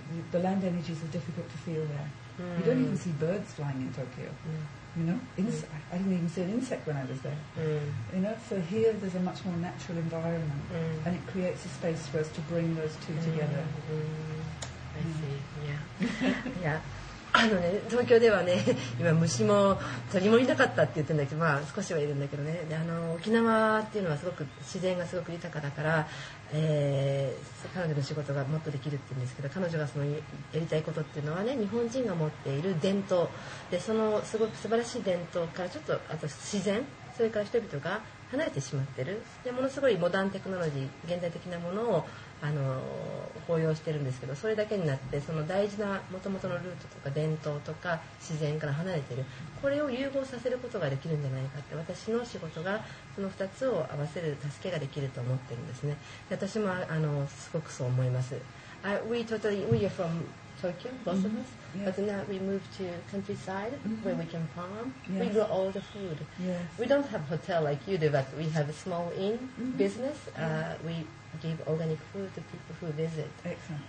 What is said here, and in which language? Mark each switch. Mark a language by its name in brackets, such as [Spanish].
[English] The land energies are difficult to feel there. Mm. You don't even see birds flying in Tokyo. Mm. You know, I didn't even see an insect when I was there. Mm. You know, so here there's a much more natural environment, mm. and it creates a space for us to bring those two together. Mm. I see. Yeah. Yeah. [Japanese] あのね、東京ではね、今虫も鳥もいなかったって言ってるんだけど、まあ少しはいるんだけどね。で、あの沖縄っていうのはすごく自然がすごく豊かだから、彼女の仕事がもっとできるって言うんですけど、彼女がそのやりたいことっていうのはね、日本人が持っている伝統で、そのすごく素晴らしい伝統からちょっと、あと自然、それから人々が離れてしまってる。で、ものすごいモダンテクノロジー、現代的なものを抱擁してるんですけど、それだけになって、その大事な元々のルートとか伝統とか自然から離れてる、これを融合させることができるんじゃないかって、私の仕事がその2つを合わせる助けができると思ってるんですね。で、私もすごくそう思います。 [English] We totally, we are from Tokyo, both of us, but now we move to countryside where we can farm, we grow all the food. We don't have hotel like you do, but we have a small inn business. WeGive organic food to people who visit. Excellent.